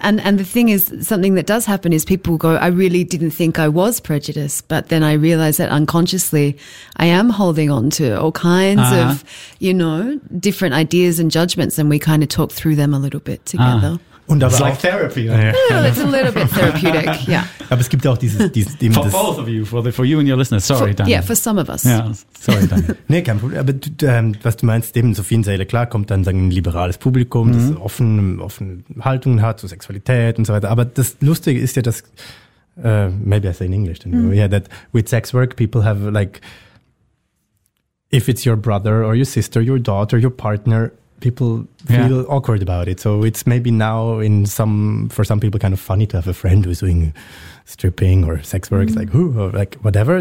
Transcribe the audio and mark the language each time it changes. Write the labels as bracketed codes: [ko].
[en] And the thing is, something that does happen is people go, I really didn't think I was prejudiced, but then I realize that unconsciously I am holding on to all kinds of, you know, different ideas and judgments. And we kind of talk through them a little bit together. [de] Und aber [en] it's like therapy. Yeah, it's a little bit therapeutic, yeah. [de] Aber es gibt auch dieses [en] for both of you, for you and your listeners. Sorry, Daniel. Yeah, for some of us. Yeah, sorry, Daniel. [de] Nee, kein Problem. Aber was du meinst, eben so vielen Säle, klar, kommt dann ein liberales Publikum, das offene Haltungen hat zur Sexualität und so weiter. Aber das Lustige ist ja, dass, [en] maybe I say in English, that with sex work people have like, if it's your brother or your sister, your daughter, your partner, people feel awkward about it. So it's maybe now in some, for some people, kind of funny to have a friend who's doing stripping or sex work, whatever.